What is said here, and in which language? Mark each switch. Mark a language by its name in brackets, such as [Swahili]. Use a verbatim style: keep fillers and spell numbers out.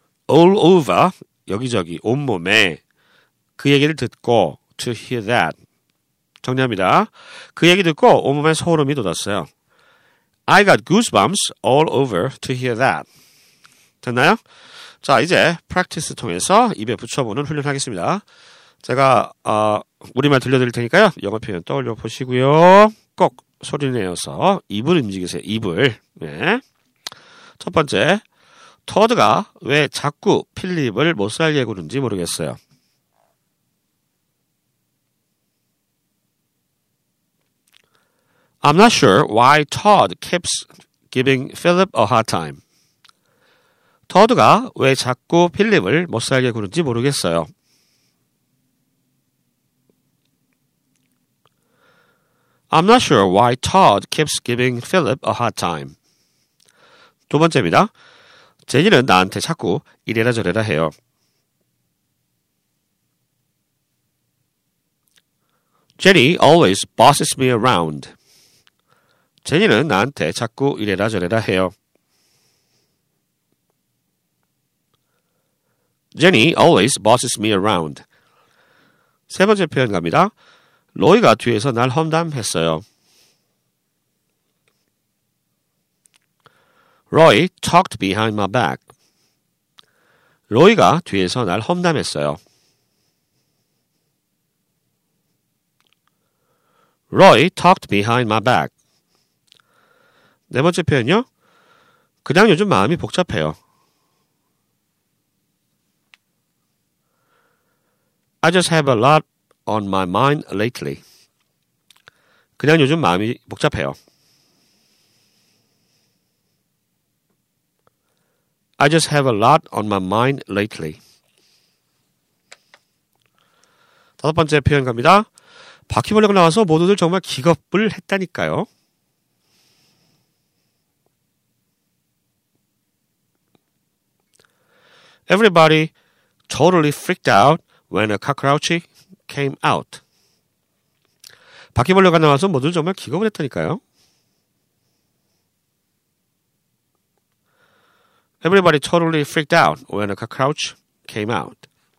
[Korean] all over 여기저기 온몸에 그 얘기를 듣고 [English] to hear that. [Korean] 정리합니다. 그 얘기 듣고 온몸에 소름이 돋았어요. I got goosebumps all over to hear that. 됐나요? 자, 이제 practice 통해서 입에 붙여보는 훈련하겠습니다. 제가 어, 우리말 들려드릴 테니까요. 영어 표현 떠올려 보시고요. 꼭 소리 내어서 입을 움직이세요. 입을. 네. 첫 번째, 토드가 왜 자꾸 필립을 못 살게 구는지 모르겠어요. [English] I'm not sure why Todd keeps giving Philip a hard time. [Korean] Todd가 왜 자꾸 필립을 못 살게 구는지 모르겠어요. [English] I'm not sure why Todd keeps giving Philip a hard time. [Korean] 두 번째입니다. 제니는 나한테 자꾸 이래라 저래라 해요. [English] Jenny always bosses me around. [Korean] 제니는 나한테 자꾸 이래라 저래라 해요. [English] Jenny always bosses me around. [Korean] 세 번째 표현 갑니다. 로이가 뒤에서 날 험담했어요. [English] Roy talked behind my back. [Korean] 로이가 뒤에서 날 험담했어요. [English] Roy talked behind my back. [Korean] 네 번째 표현요. 그냥 요즘 마음이 복잡해요. [English] I just have a lot on my mind lately. [Korean] 그냥 요즘 마음이 복잡해요. [English] I just have a lot on my mind lately. [Korean] 다섯 번째 표현 갑니다. 바퀴벌레가 나와서 모두들 정말 기겁을 했다니까요. [English] Everybody totally freaked out when a cockroach came out. [Korean] 바퀴벌레가 나와서 모두 정말 기겁을 했다니까요. [English] Everybody totally freaked out when a cockroach came out.